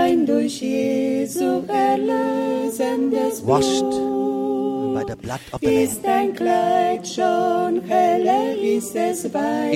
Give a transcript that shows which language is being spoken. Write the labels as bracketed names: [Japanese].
[German] Rein durch Jesu erlösendes Blut. [English] Washed by the blood of the Lamb. [German] Ist dein Kleid schon helle, ist es weiß.